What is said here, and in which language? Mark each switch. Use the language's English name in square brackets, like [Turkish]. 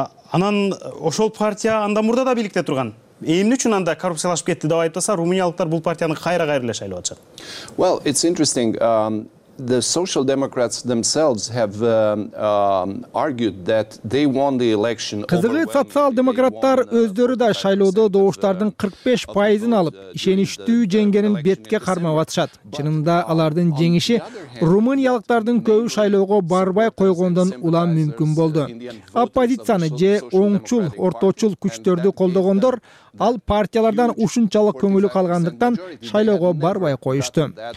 [Kyrgyz] Анан ошол партия анда мурда да бийликте турган. Эмне үчүн анда коррупциялашып кетти деп айыптаса, румыниялыктар бул партияны кайра эле шайлап атышат. [English] Well, it's interesting. The Social Democrats themselves have argued that they won the election. [Kyrgyz] Кызыгы социал демократтар өздөрү да шайлоодо добуштардын 45% алып, ишеничтүү жеңгенин бетке кармап атышат. Чынында алардын жеңиши румыниялыктардын көбү шайлоого барбай койгондон улам мүмкүн болду. Оппозицияны же оңчул, орточул күчтөрдү колдогондор ал партиялардан ушунчалык көңүл калгандыктан шайлоого барбай коюшту.